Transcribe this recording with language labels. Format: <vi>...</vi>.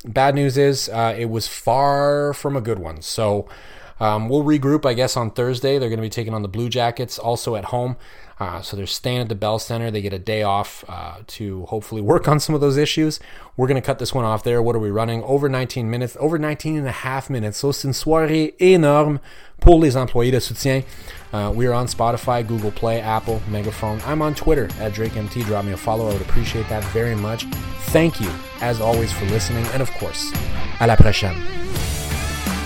<en>Bad news is it was far from a good one. So we'll regroup, I guess, on Thursday. They're going to be taking on the Blue Jackets, also at home. So they're staying at the Bell Center. They get a day off to hopefully work on some of those issues. We're going to cut this one off there. What are we running? Over 19 minutes. Over 19 and a half minutes.</en> <fr>So c'est une soirée énorme pour les employés de soutien.</fr> <en>We are on Spotify, Google Play, Apple, Megaphone. I'm on Twitter at DrakeMT. Drop me a follow. I would appreciate that very much. Thank you, as always, for listening. And of course,</en> <fr>à la prochaine.</fr>